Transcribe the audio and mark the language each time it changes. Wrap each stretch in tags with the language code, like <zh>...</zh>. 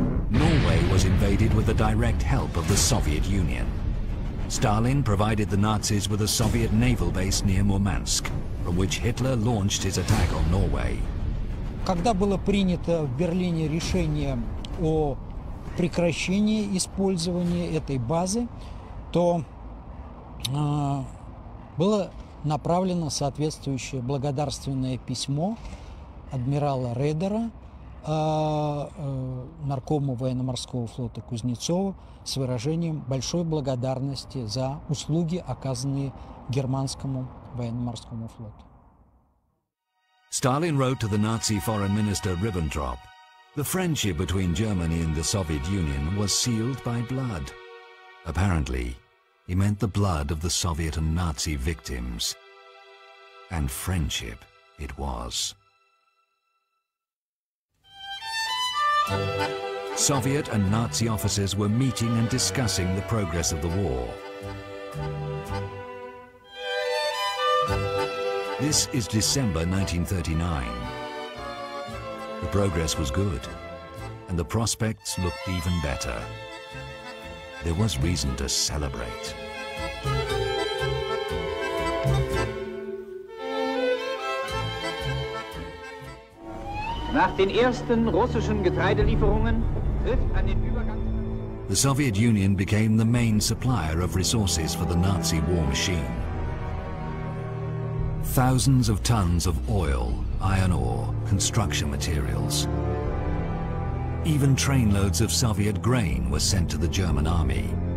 <en>Norway was invaded with the direct help of the Soviet Union. Stalin provided the Nazis with a Soviet naval base near Murmansk, from which Hitler launched his attack on Norway.</en> <ru>Когда было принято в Берлине решение о прекращении использования этой базы, то было направлено соответствующее благодарственное письмо адмирала Редера, наркому военно-морского флота Кузнецову, с выражением большой благодарности за услуги, оказанные германскому военно-морскому флоту.</ru> <en>Сталин wrote to the Nazi foreign minister Ribbentrop: the friendship between Germany and the Soviet Union was sealed by blood. Apparently, he meant the blood of the Soviet and Nazi victims. And friendship it was. Soviet and Nazi officers were meeting and discussing the progress of the war. This is December 1939. The progress was good, and the prospects looked even better. There was reason to celebrate.</en> <de>Nach den ersten russischen Getreidelieferungen trifft an den Übergang.</de> <en>The Soviet Union became the main supplier of resources for the Nazi war machine. Thousands of tons of oil, iron ore, construction materials. Even trainloads of Soviet grain were sent to the German army.</en>